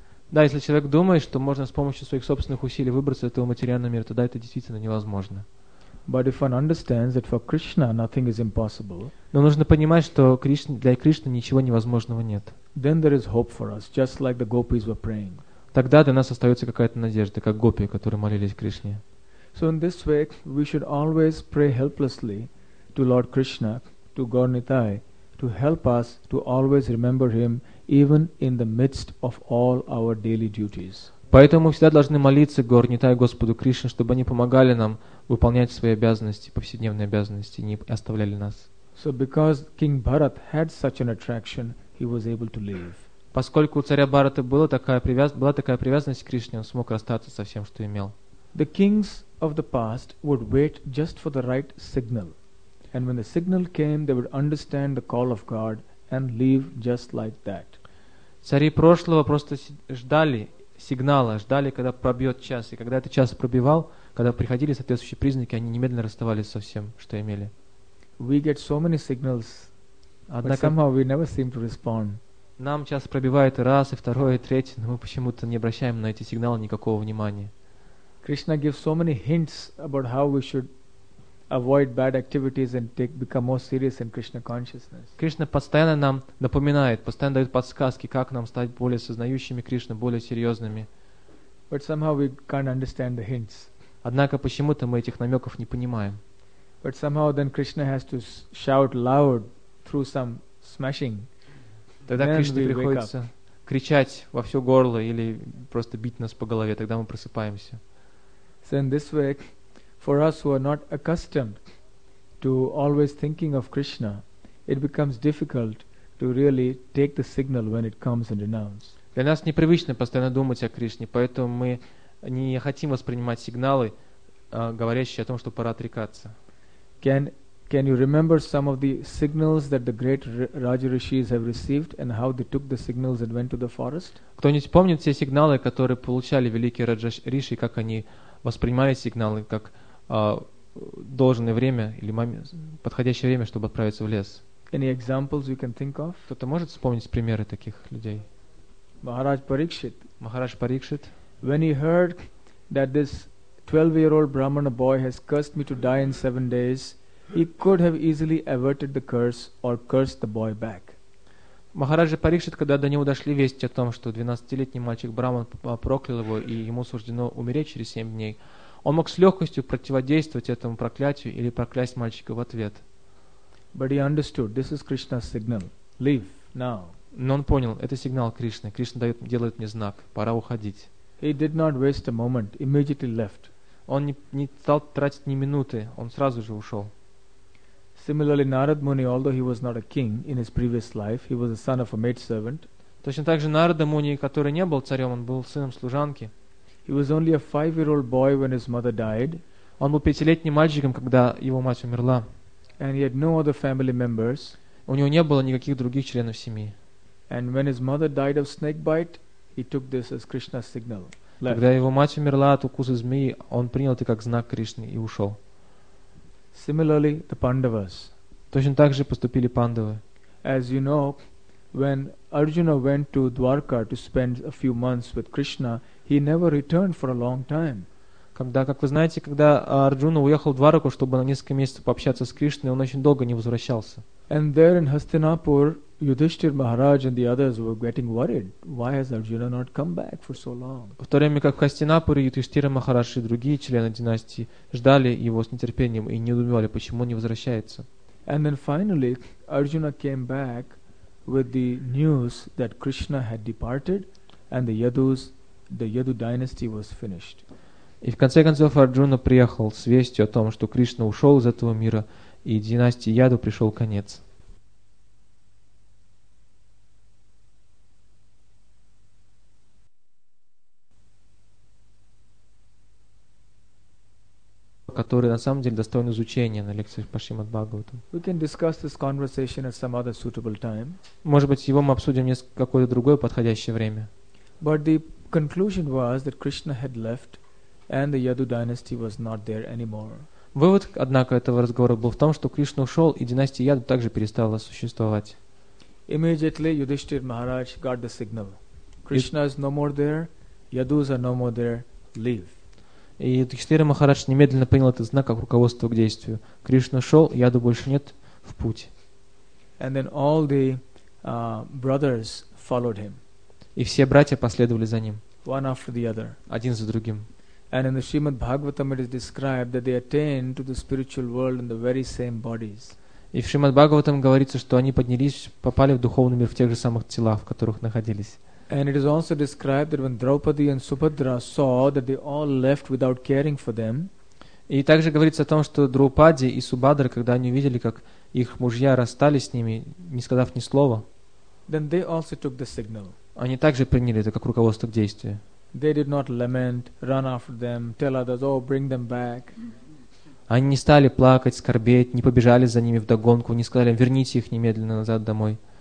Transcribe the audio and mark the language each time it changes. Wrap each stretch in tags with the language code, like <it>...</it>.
<ru>Да, если человек думает, что можно с помощью своих собственных усилий выбраться из этого материального мира, тогда это действительно невозможно.</ru> <en>But if one understands that for Krishna nothing is impossible,</en> <ru>но нужно понимать, что для Кришны ничего невозможного нет.</ru> <en>Then there is hope for us, just like the gopis were praying.</en> <ru>Тогда для нас остается какая-то надежда, как гопи, которые молились Кришне.</ru> <en>So in this way, we should always pray helplessly to Lord Krishna, to Gaur Nithai, to help us to always remember Him, even in the midst of all our daily duties.</en> <ru>Поэтому мы всегда должны молиться Гаур Нитай, Господу Кришне, чтобы они помогали нам выполнять свои обязанности, повседневные обязанности, не оставляли нас.</ru> <en>So because King Bharat had such an attraction, he was able to leave.</en> <ru>Поскольку у царя Бхарата была такая привязанность к Кришне, он смог расстаться со всем, что имел.</ru> <en>The kings of the past would wait just for the right signal. And when the signal came, they would understand the call of God and leave just like that.</en> <ru>Цари прошлого просто ждали сигнала, ждали, когда пробьет час. И когда этот час пробивал, когда приходили соответствующие признаки, они немедленно расставались со всем, что имели.</ru> <en>We get so many signals,</en> <ru>однако,</ru> <en>but somehow we never seem to respond.</en> <ru>Нам час пробивает и раз, и второй, и третий, но мы почему-то не обращаем на эти сигналы никакого внимания.</ru> <en>Krishna gives so many hints about how we should avoid bad activities and become more serious in Krishna consciousness.</en> <ru>Кришна постоянно нам напоминает, постоянно дает подсказки, как нам стать более сознающими Кришны, более серьезными.</ru> <en>But somehow we can't understand the hints.</en> <ru>Однако почему-то мы этих намеков не понимаем.</ru> <en>But somehow then Krishna has to shout loud through some smashing.</en> <ru>Тогда Кришне приходится кричать во все горло или просто бить нас по голове, тогда мы просыпаемся.</ru> <en>So in this way, for us who are not accustomed to always thinking of Krishna, it becomes difficult to really take the signal when it comes and renounce.</en> <ru>Для нас непривычно постоянно думать о Кришне, поэтому мы не хотим воспринимать сигналы, говорящие о том, что пора отрекаться.</ru> <en>Can you remember some of the signals that the great Rajarishis have received and how they took the signals and went to the forest?</en> <ru>Кто-нибудь помнит все сигналы, которые получали великие Раджариши, как они воспринимали сигналы, как должное время или подходящее время, чтобы отправиться в лес?</ru> <en>Any examples you can think of?</en> <ru>Кто-то может вспомнить примеры таких людей?</ru> <en>Maharaj Parikshit. Maharaj Parikshit. When he heard that this 12-year-old Brahmana boy has cursed me to die in 7 days, he could have easily averted the curse or cursed the boy back.</en> <ru>Махараджа Парикшит, когда до него дошли вести о том, что 12-летний мальчик Браман проклял его и ему суждено умереть через 7 дней, он мог с легкостью противодействовать этому проклятию или проклясть мальчика в ответ.</ru> <en>But he understood, this is Krishna's signal. Leave now.</en> <ru>Но он понял, это сигнал Кришны. Кришна делает мне знак, пора уходить.</ru> <en>He did not waste a moment, immediately left.</en> <ru>Он не стал тратить ни минуты, он сразу же ушел.</ru> <en>Similarly, Narad Muni, although he was not a king in his previous life, he was the son of a maid servant.</en> <ru>Точно так же Нарада Муни, который не был царем, он был сыном служанки.</ru> <en>He was only a 5-year-old boy when his mother died.</en> <ru>Он был 5-летним мальчиком, когда его мать умерла.</ru> <en>And he had no other family members.</en> <ru>У него не было никаких других членов семьи.</ru> <en>And when his mother died of snake bite, he took this as Krishna's signal.</en> <ru>Когда его мать умерла от укуса змеи, он принял это как знак Кришны и ушел.</ru> <en>Similarly, the Pandavas.</en> <ru>Точно так же поступили пандавы.</ru> <en>As you know, when Arjuna went to Dwarka to spend a few months with Krishna, he never returned for a long time.</en> <ru>Когда, как вы знаете, когда Арджуна уехал в Двараку, чтобы на несколько месяцев пообщаться с Кришной, он очень долго не возвращался.</ru> <en>And there in Hastinapur, Yudhishthir Maharaj and the others were getting worried. Why has Arjuna not come back for so long?</en> <ru>В то время как в Хастинапуре Юдхиштхира Махарадж и другие члены династии ждали его с нетерпением и недоумевали, почему он не возвращается.</ru> <en>And then finally, Arjuna came back with the news that Krishna had departed and the Yadu dynasty was finished.</en> <ru>И в конце концов Арджуна приехал с вестью о том, что Кришна ушел из этого мира и династии Яду пришел конец. Которые на самом деле достойны изучения на лекциях по Шримад Бхагаватам.</ru> <en>We can discuss this conversation at some other suitable time.</en> <ru>Может быть, его мы обсудим несколько какое-то другое подходящее время.</ru> <en>But the conclusion was that Krishna had left and the Yadu dynasty was not there anymore.</en> <ru>Вывод, однако, этого разговора был в том, что Кришна ушел и династия Яду также перестала существовать.</ru> <en>Immediately Yudhishthir Maharaj got the signal. Krishna is no more there, Yadus are no more there, leave.</en> <ru>И Юдхиштхира Махарадж немедленно принял этот знак как руководство к действию. Кришна шел, яду больше нет, в путь. И все братья последовали за ним.</ru> <en>One after the other.</en> <ru>Один за другим.</ru> <en>And in the Srimad Bhagavatam it is described that they attained to the spiritual world in the very same bodies.</en> <ru>И в Шримад Бхагаватам говорится, что они поднялись, попали в духовный мир в тех же самых телах, в которых находились.</ru> <en>And it is also described that when Draupadi and Subhadra saw that they all left without caring for them.</en> <ru>И также говорится о том, что Драупади и Субхадра, когда они увидели, как их мужья расстались с ними, не сказав ни слова,</ru> <en>then they also took the signal.</en> <ru>Они также приняли это как руководство к действию.</ru> <en>They did not lament, run after them, tell others, oh, bring them back.</en> <ru>Они не стали плакать, скорбеть, не побежали за ними вдогонку, не сказали, верните их немедленно назад домой.</ru>